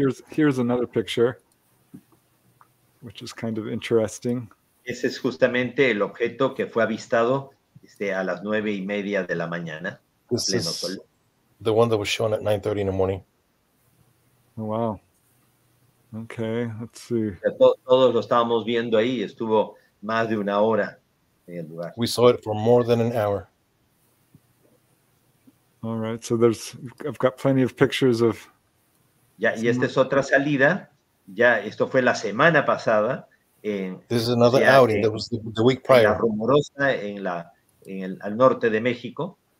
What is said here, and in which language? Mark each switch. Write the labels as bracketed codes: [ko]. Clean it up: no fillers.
[en] Here's another picture, which is kind of interesting. [es] Ese es justamente el objeto que fue avistado a las 9:30 de la mañana. This pleno is sol. [en] The one that was shown at 9:30 in the morning. Oh, wow. Okay, let's see. [es] Todos lo estábamos viendo ahí. Estuvo más de una hora en el lugar. [en] We saw it for more than an hour. All right, so I've got plenty of pictures of... [es] Ya, y esta es otra salida. Ya, esto fue la semana pasada. [en] This is another outing that was the week prior. [es] En la Rumorosa, al norte de México.